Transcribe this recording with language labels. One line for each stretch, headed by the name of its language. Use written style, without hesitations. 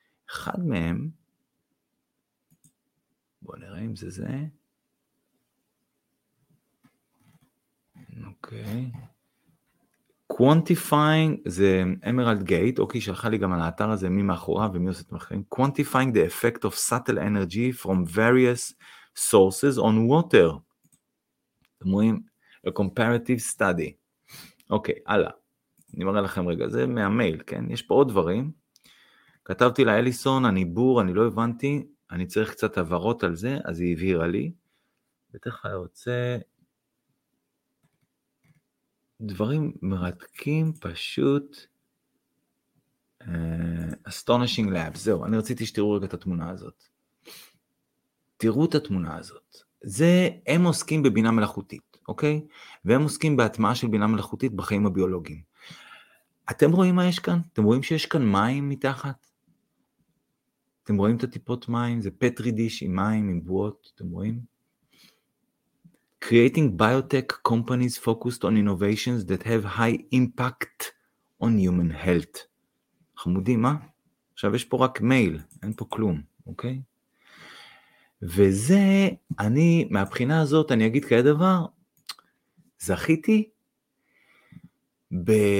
Hebrew: אחד מהם, בוא נראה אם זה. אוקיי. Quantifying, זה Emerald Gate, אוקיי, שלחה לי גם על האתר הזה, מי מאחורה ומי עושה את מחרים.
English: Quantifying the effect of subtle energy from various sources on water.
Hebrew: אתם רואים,
English: a comparative study.
Hebrew: אוקיי, הלאה. אני מראה לכם רגע, זה מהמייל, כן? יש פה עוד דברים. כתבתי לאליסון, אני בור, אני לא הבנתי, אני צריך קצת הבהרות על זה, אז היא הבהירה לי. בטח אני רוצה... דברים מרתקים, פשוט...
English: astonishing lab, זהו.
Hebrew: אני רציתי שתראו רגע את התמונה הזאת. תראו את התמונה הזאת. זה, הם עוסקים בבינה מלאכותית, אוקיי? והם עוסקים בהטמעה של בינה מלאכותית בחיים הביולוגיים. אתם רואים מה יש כאן? אתם רואים שיש כאן מים מתחת? אתם רואים את הטיפות מים? זה פטרי דיש עם מים, עם בועות, אתם רואים?
English: Creating biotech companies focused on innovations that have high impact on human health.
Hebrew: חמודים, מה? עכשיו יש פה רק מייל, אין פה כלום, אוקיי? וזה, אני, מהבחינה הזאת, אני אגיד כאי דבר, זכיתי ב...